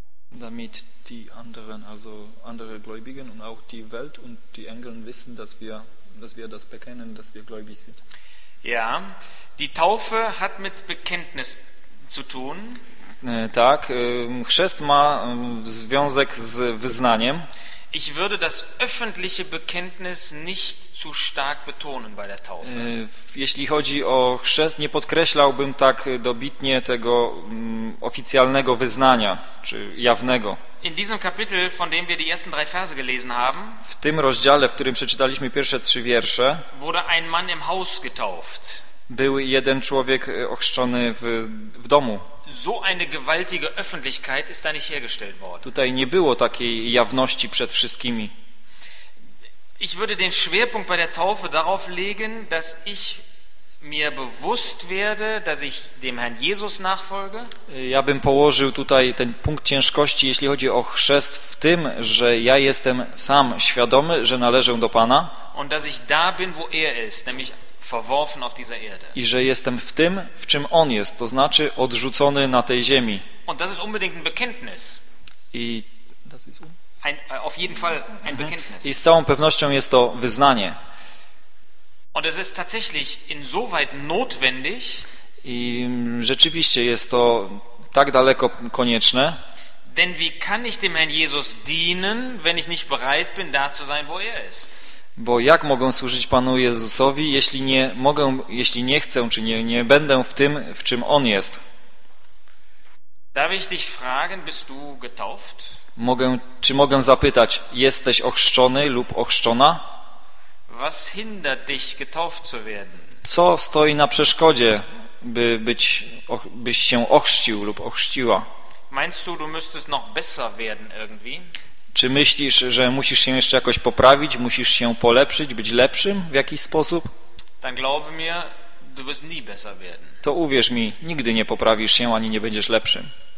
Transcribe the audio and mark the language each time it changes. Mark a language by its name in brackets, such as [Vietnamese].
[German] Damit die anderen, also andere Gläubigen und auch die Welt und die Engel wissen, dass wir das bekennen, dass wir gläubig sind. Ja, die Taufe hat mit Bekenntnis zu tun. [Polish] Tak, chrzest ma związek z wyznaniem. [German] Ich würde das öffentliche Bekenntnis nicht zu stark betonen bei der Taufe. [Polish] Jeśli chodzi o chrzest, nie podkreślałbym tak dobitnie tego oficjalnego wyznania, czy jawnego. [German] In diesem Kapitel, von dem wir die ersten drei Verse gelesen haben, [Polish] w tym rozdziale, w którym przeczytaliśmy pierwsze trzy wiersze, [German] wurde ein Mann im Haus getauft. [Polish] Był jeden człowiek ochrzczony w domu. [German] So eine gewaltige Öffentlichkeit ist da nicht hergestellt worden. [Polish] Tutaj nie było takiej jawności przed wszystkimi. [German] Ich würde den Schwerpunkt bei der Taufe darauf legen, dass ich mir bewusst werde, dass ich dem Herrn Jesus nachfolge. [Polish] Ja bym położył tutaj ten punkt ciężkości, jeśli chodzi o chrzest, w tym, że ja jestem sam świadomy, że należę do Pana. [German] Und dass ich da bin, wo er ist, nämlich verworfen auf dieser Erde. [Polish] I że jestem w tym, w czym on jest, to znaczy odrzucony na tej ziemi. [German] Und das ist unbedingt ein Bekenntnis. [Polish] I [German] das ist ein auf jeden Fall ein Bekenntnis. [Polish] I z całą pewnością jest to wyznanie. [German] Und es ist tatsächlich insoweit notwendig. [Polish] I rzeczywiście jest to tak daleko konieczne. [German] Denn wie kann ich dem Herrn Jesus dienen, wenn ich nicht bereit bin, da zu sein, wo er ist? [Polish] Bo jak mogę służyć Panu Jezusowi, jeśli nie mogę, jeśli nie chcę, czy nie będę w tym, w czym On jest? [German] Darf ich dich fragen, bist du getauft? [Polish] Mogę zapytać, jesteś ochrzczony lub ochrzczona? [German] Was hindert dich, getauft zu werden? [Polish] Co stoi na przeszkodzie, by być, byś się ochrzcił lub ochrzciła. [German] Meinst du, du müsstest noch besser werden irgendwie? [Polish] Czy myślisz, że musisz się jeszcze jakoś poprawić, musisz się polepszyć, być lepszym w jakiś sposób? [German] Dann glaube mir, du wirst nie besser werden. [Polish] To uwierz mi, nigdy nie poprawisz się ani nie będziesz lepszym.